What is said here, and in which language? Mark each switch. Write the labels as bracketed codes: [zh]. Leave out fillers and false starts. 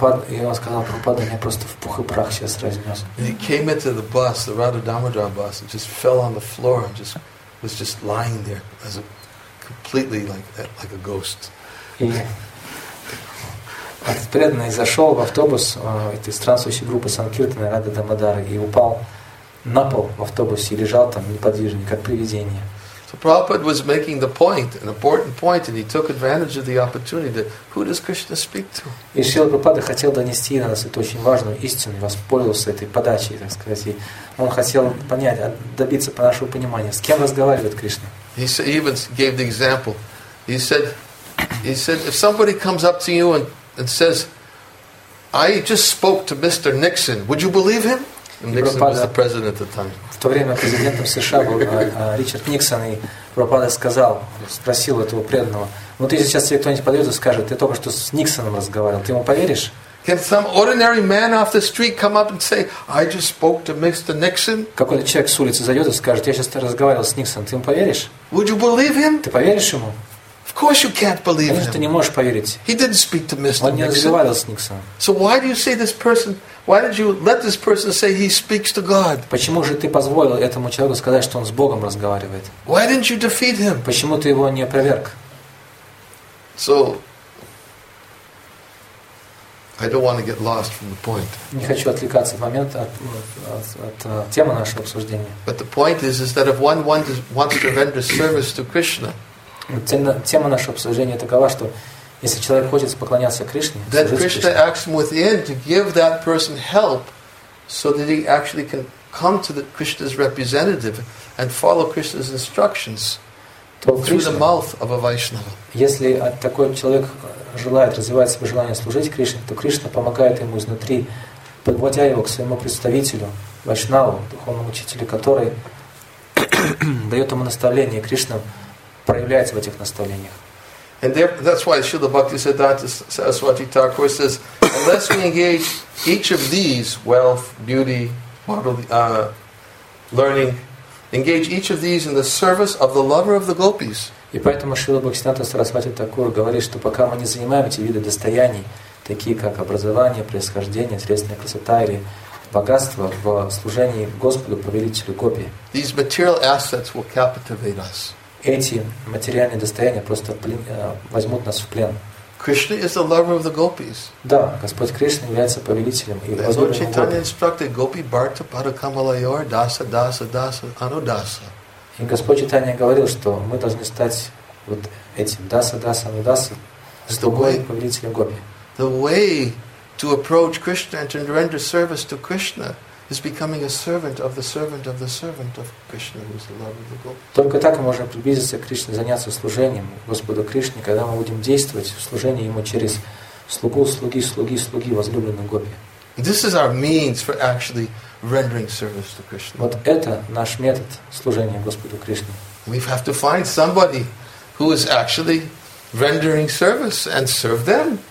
[ru] И он сказал, Прабхупада меня просто в пух и прах сейчас разнес. [en] He came into the bus, the Radha Damodar bus, and just fell on the floor and just was just lying there as a completely like a ghost. [ru] И этот преданный зашел в автобус этой странствующей группы Санкиртана Радха Дамодара и упал на пол в автобусе и лежал там неподвижно, как привидение. [en] So Prabhupada was making the point, an important point, and he took advantage of the opportunity that who does Krishna speak to? [ru] И Шрила Прабхупада хотел донести до нас эту очень важную истину, воспользовался этой подачей, так сказать. И он хотел понять, добиться по нашему пониманию, с кем разговаривает Кришна. [en] He even gave the example. He said, if somebody comes up to you and says, I just spoke to Mr. Nixon, would you believe him? And Nixon was the president at the time. [ru] В то время президентом США был Ричард Никсон, и Прабхупада спросил этого преданного, вот если сейчас тебе кто-нибудь подойдет и скажет, ты только что с Никсоном разговаривал, ты ему поверишь? [en] Can some ordinary man off the street come up and say, I just spoke to Mr. Nixon? [ru] Какой-то человек с улицы зайдет и скажет, я сейчас разговаривал с Никсоном, ты ему поверишь? [en] Would you believe him? [ru] Ты поверишь ему? [en] Of course you can't believe him. [ru] Конечно, ты не можешь поверить. [en] He didn't speak to Mr. Nixon. [ru] Он не разговаривал с Никсоном. [en] So why do you say this person... Why did you let this person say he speaks to God? [ru] Почему же ты позволил этому человеку сказать, что он с Богом разговаривает? [en] Why didn't you defeat him? [ru] Почему ты его не опроверг? [en] So, I don't want to get lost from the point. [ru] Не хочу отвлекаться в момент от темы нашего обсуждения. [en] But the point is that if one wants to render service to Krishna. [ru] Тема нашего обсуждения такова, что если человек хочет поклоняться Кришне, [en] then Krishna asks him within to give that person help so that he actually can come to the Krishna's representative and follow Krishna's instructions through the mouth of a Vaishnava. [ru] Если такой человек желает развивать свое желание служить Кришне, то Кришна помогает ему изнутри, подводя его к своему представителю, Вайшнаву, духовному учителю, который дает ему наставление, и Кришна проявляется в этих наставлениях. [en] And there, that's why Śrīla Bhaktisiddhānta Saraswati Thakura says, unless we engage each of these, wealth, beauty, learning, engage each of these in the service of the lover of the gopis. [ru] И поэтому Шрила Бхактисиддханта Сарасвати Такур говорит, что пока мы не занимаем эти виды достояний, такие как образование, происхождение, телесная красота или богатство в служении Господу, повелителю гопи, [en] these material assets will captivate us. [ru] Эти материальные достояния просто возьмут нас в плен. [en] Krishna is the lover of the gopis. [ru] Да, Господь Кришна является повелителем и возлюбленным гопи. И Господь Чайтанья говорил, что мы должны стать вот этим даса, даса, анудаса, слугой, повелителем гопи. [en] The way to approach Krishna and to render service to Krishna is becoming a servant of the servant of the servant of Krishna, who is the lover of the gopis. [ru] Только так мы можем приблизиться к Кришне, заняться служением Господу Кришне, когда мы будем действовать в служении Ему через слугу, слуги, слуги, слуги, возлюбленного гопи. [en] This is our means for actually rendering service to Krishna. [ru] Вот это наш метод служения Господу Кришне. [en] We have to find somebody who is actually rendering service and serve them.